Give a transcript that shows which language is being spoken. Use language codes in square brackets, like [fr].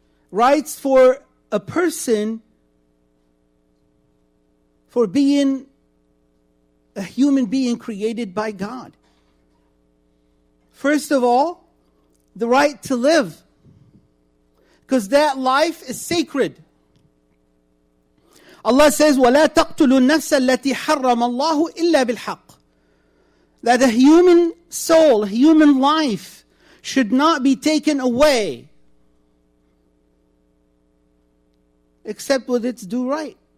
[en] Rights for a person for being a human being created by God. First of all, the right to live. Because that life is sacred. Allah says, [ar] وَلَا تَقْتُلُوا النَّفْسَ الَّتِي حَرَّمَ اللَّهُ إِلَّا بِالْحَقِّ. [en] That a human soul, a human life, should not be taken away except with its due right.